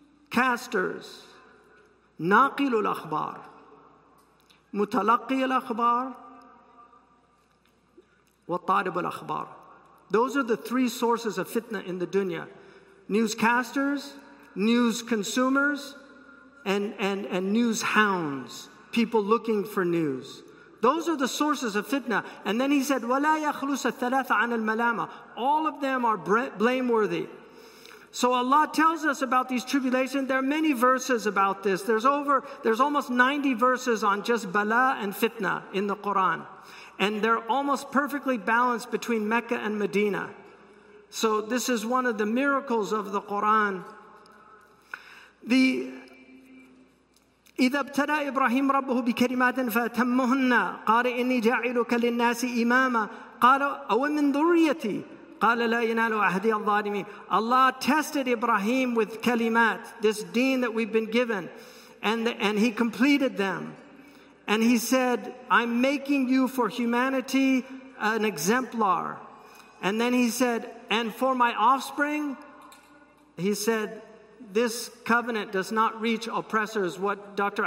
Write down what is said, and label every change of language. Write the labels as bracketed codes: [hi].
[ar] Newscasters, ناقل الأخبار, متلقي الأخبار, وطالب الأخبار. [en] Those are the three sources of fitna in the dunya. Newscasters, news consumers, and news hounds, people looking for news. Those are the sources of fitna. And then he said, [ar] وَلَا يَخْلُسَ الثَّلَاثَ عَنَ الْمَلَامَةِ. [en] All of them are blameworthy. So Allah tells us about these tribulations. There are many verses about this. There's almost 90 verses on just bala and fitna in the Quran. And they're almost perfectly balanced between Mecca and Medina. So this is one of the miracles of the Quran. [ar] The إذا ابتدى إبراهيم ربه بكلمات فأتمهن قال إني جاعلك للناس إماما قال أو من ذريتي قال لا ينال عهدي الظالمين. [en] Allah tested Ibrahim with kalimat, this deen that we've been given, and he completed them. And he said, I'm making you for humanity an exemplar. And then he said, and for my offspring, he said, this covenant does not reach oppressors, what Dr.